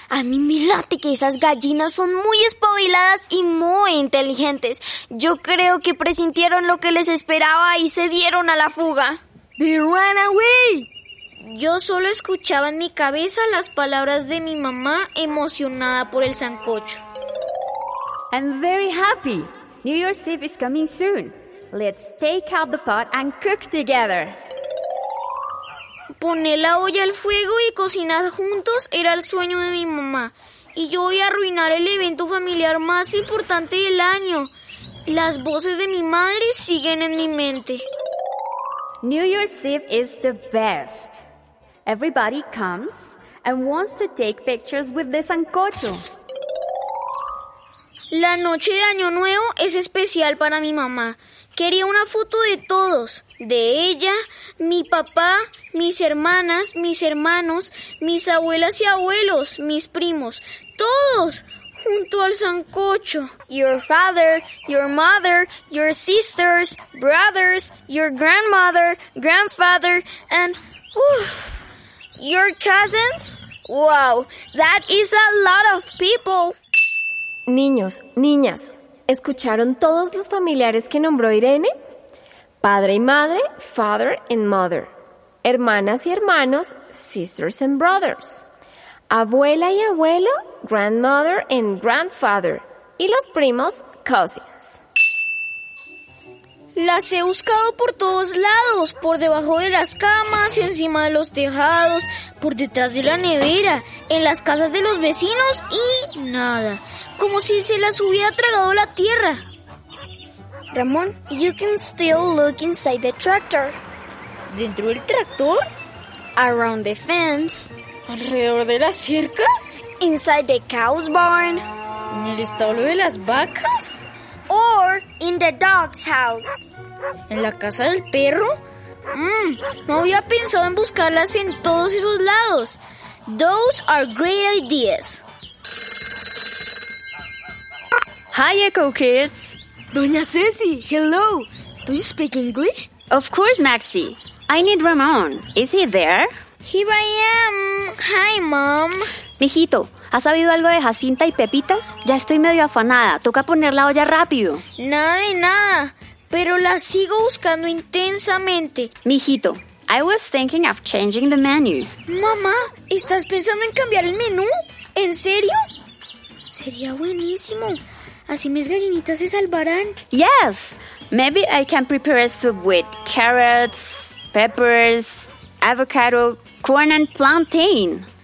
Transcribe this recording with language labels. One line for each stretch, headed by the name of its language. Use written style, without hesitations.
Spanish: A mí me late que esas gallinas son muy espabiladas y muy inteligentes. Yo creo que presintieron lo que les esperaba y se dieron a la fuga.
English: They ran away.
Spanish: Yo solo escuchaba en mi cabeza las palabras de mi mamá emocionada por el sancocho.
English: I'm very happy. New Year's Eve is coming soon. Let's take out the pot and cook together.
Spanish: Poner la olla al fuego y cocinar juntos era el sueño de mi mamá. Y yo voy a arruinar el evento familiar más importante del año. Las voces de mi madre siguen en mi mente.
English: New Year's Eve is the best. Everybody comes and wants to take pictures with the sancocho.
Spanish: La noche de Año Nuevo es especial para mi mamá. Quería una foto de todos, de ella, mi papá, mis hermanas, mis hermanos, mis abuelas y abuelos, mis primos, todos junto al sancocho.
English: Your father, your mother, your sisters, brothers, your grandmother, grandfather, and your cousins. Wow, that is a lot of people.
Spanish: Niños, niñas, ¿escucharon todos los familiares que nombró Irene? Padre y madre,
English: father and mother.
Spanish: Hermanas y hermanos,
English: sisters and brothers.
Spanish: Abuela y abuelo,
English: grandmother and grandfather.
Spanish: Y los primos, cousins. Las he buscado por todos lados, por debajo de las camas, encima de los tejados, por detrás de la nevera, en las casas de los vecinos y nada. Como si se las hubiera tragado la tierra.
English: Ramón, you can still look inside the tractor.
Spanish: ¿Dentro del tractor?
English: Around the fence.
Spanish: ¿Alrededor de la cerca?
English: Inside the cow's barn.
Spanish: ¿En el establo de las vacas?
English: Or in the dog's house.
Spanish: ¿En la casa del perro? No había pensado en buscarlas en todos esos lados.
English: Those are great ideas. Hi, Echo Kids. Doña Ceci, hello. Do you speak English? Of course, Maxi. I need Ramon. Is he there? Here I am. Hi, Mom.
Spanish: Mijito, ¿has sabido algo de Jacinta y Pepita? Ya estoy medio afanada. Toca poner la olla rápido. Nada de nada, pero la sigo buscando intensamente.
English: Mijito, I was thinking of changing the menu.
Spanish: Mamá, ¿estás pensando en cambiar el menú? ¿En serio? Sería buenísimo. Así mis gallinitas se salvarán.
English: Yes, maybe I can prepare a soup with carrots, peppers, avocado, corn and plantain.